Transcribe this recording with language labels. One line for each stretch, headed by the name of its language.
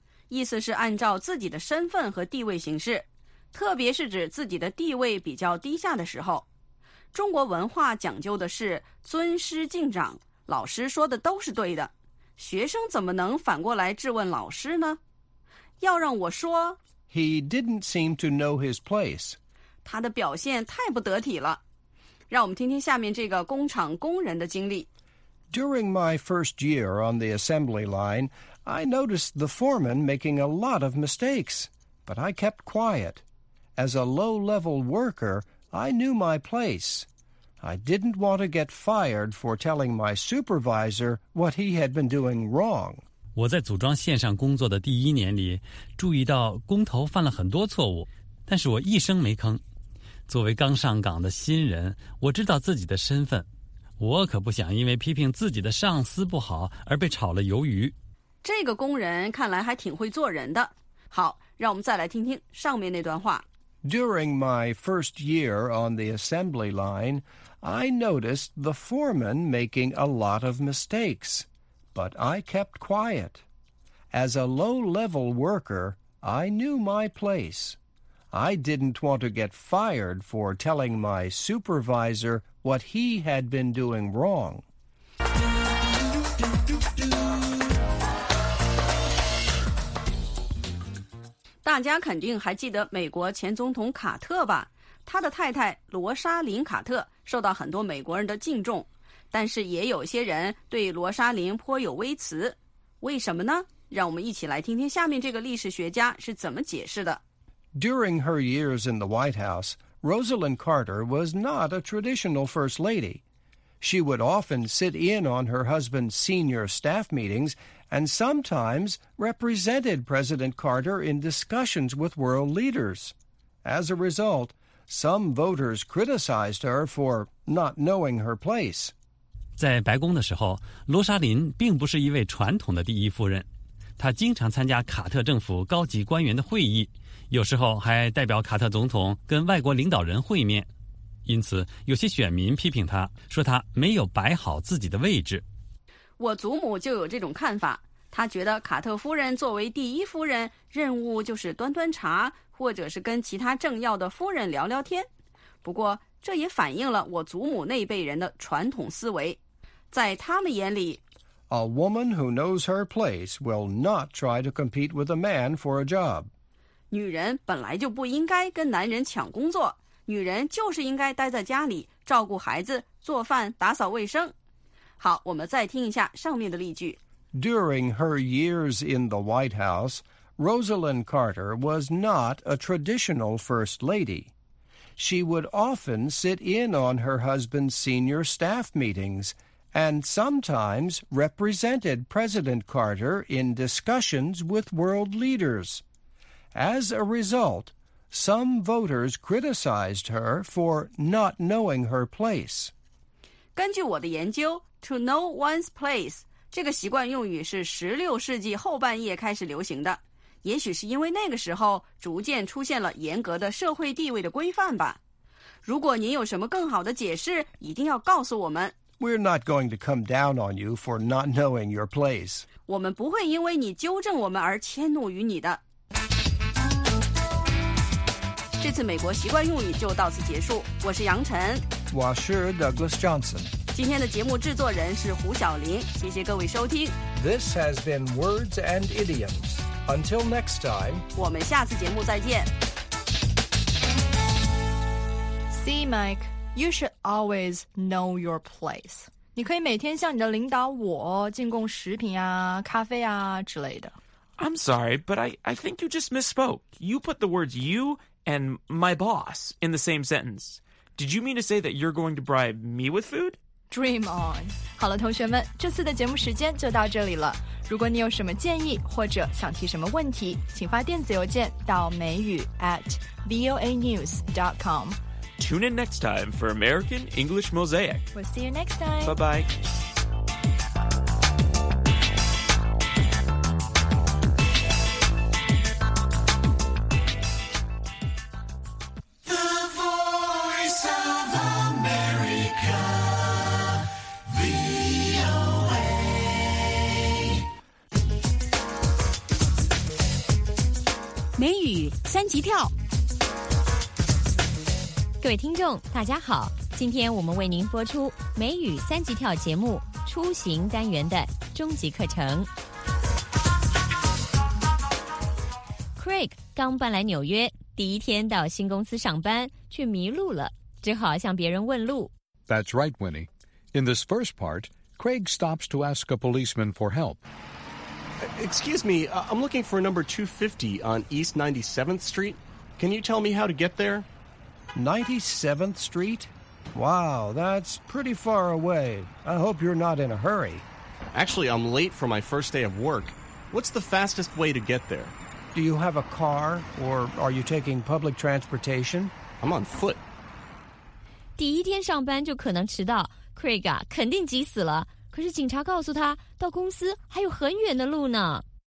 Chinese: 意思是按照自己的身份和地位行事，特别是指自己的地位比较低下的时候。中国文化讲究的是尊师敬长，老师说的都是对的，学生怎么能反过来质问老师呢？要让我说，
English: He didn't seem to know his place.
Chinese: 他的表现太不得体了。让我们听听下面这个工厂工人的经历。
English: During my first year on the assembly line, I noticed the foreman making a lot of mistakes, but I kept quiet. As a low-level worker, I knew my place. I didn't want to get fired for telling my supervisor what he had been doing wrong.
Chinese: 我在组装线上工作的第一年里，注意到工头犯了很多错误，但是我一声没吭。作为刚上岗的新人，我知道自己的身份，我可不想因为批评自己的上司不好而被炒了鱿鱼。这个工人看来还挺会做人的。好，让我们再来听听上面那段话。
English: During my first year on the assembly line, I noticed the foreman making a lot of mistakes, but I kept quiet. As a low-level worker, I knew my place. I didn't want to get fired for telling my supervisor what he had been doing wrong.
Chinese: 大家肯定还记得美国前总统卡特吧？他的太太罗莎琳·卡特受到很多美国人的敬重，但是也有些人对罗莎琳颇有微词。为什么呢？让我们一起来听听下面这个历史学家是怎么解释的。
English: During her years in the White House, Rosalynn Carter was not a traditional first lady. She would often sit in on her husband's senior staff meetings and sometimes represented President Carter in discussions with world leaders. As a result, some voters criticized her for not knowing her place.
Chinese: 在白宫的时候，罗莎琳并不是一位传统的第一夫人，她经常参加卡特政府高级官员的会议，有时候还代表卡特总统跟外国领导人会面，因此有些选民批评他，说他没有摆好自己的位置。我祖母就有这种看法，他觉得卡特夫人作为第一夫人，任务就是端端茶，或者是跟其他政要的夫人聊聊天。不过这也反映了我祖母那辈人的传统思维，在他们眼里，
English: A woman who knows her place will not try to compete with a man for a job.
Chinese: 女人本来就不应该跟男人抢工作，女人就是应该待在家里照顾孩子、做饭、打扫卫生。好，我们再听一下上面的例句。
English: During her years in the White House, Rosalynn Carter was not a traditional first lady. She would often sit in on her husband's senior staff meetings and sometimes represented President Carter in discussions with world leaders. As a result,Some voters criticized her for not knowing her place.
Chinese: 根据我的研究 ,
English: to know one's place,
Chinese: 这个习惯用语是16世纪后半叶开始流行的。也许是因为那个时候逐渐出现了严格的社会地位的规范吧。如果您有什么更好的解释，一定要告诉我们。
English: We're not going to come down on you for not knowing your place.
Chinese: 我们不会因为你纠正我们而迁怒于你的。这次美国习惯用语就到此结束，我是杨晨，我是 Douglas Johnson，今天的节目制作人是胡晓琳，谢谢各位收听。
English: This has been Words and Idioms. Until next time，
Chinese: 我们下次节目再见。
English: See Mike, you should always know your place.
Chinese: 你可以每天向你的领导我进贡食品啊、咖啡啊之类的。
English: I'm sorry, but I think you just misspoke. You put the words youand my boss in the same sentence. Did you mean to say that you're going to bribe me with food? Dream on.
Chinese: 好了，同学们，这次的节目时间就到这里了。如果你有什么建议或者想提什么问题，请发电子邮件到美语@voanews.com.
English: Tune in next time for American English Mosaic. We'll see you next time. Bye-bye.
Chinese: 三级跳。各位听众大家好，今天我们为您播出美语三级跳节目出行单元的终极课程。 Craig 刚搬来纽约，第一天到新公司上班却迷路了，只好向别人问路。
English: That's right, Winnie. In this first part, Craig stops to ask a policeman for help. Excuse me, I'm looking for number 250 on East 97th Street. Can you tell me how to get there? 97th Street? Wow, that's pretty far away. I hope you're not in a hurry. Actually, I'm late for my first day of work. What's the fastest way to get there? Do you have a car, or are you taking public transportation? I'm on foot.
Chinese: 第一天上班就可能迟到， Craig 啊，肯定急死了。可是警察告诉他，到公司还有很远的路呢。